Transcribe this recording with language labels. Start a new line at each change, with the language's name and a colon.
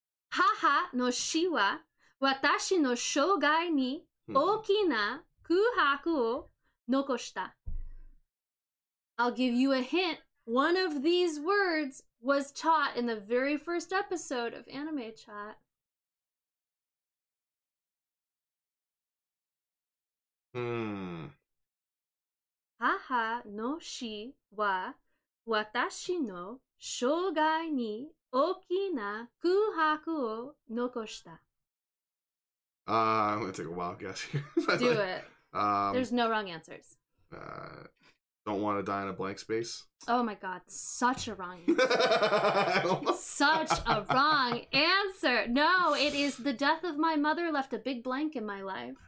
Japanese: 母の死は私の生涯に大きな空白を残した。
English: I'll give you a hint. One of these words was taught in the very first episode of Anime Chat. Hmm.
Japanese: 母の死は私の生涯に大きな空白を残した。
English: I'm going to take a wild guess here. Do it. There's no wrong answers. Don't want to die in a blank space. Oh my god, such a wrong answer. Such a wrong answer. No, it is the death of my mother left a big blank in my life.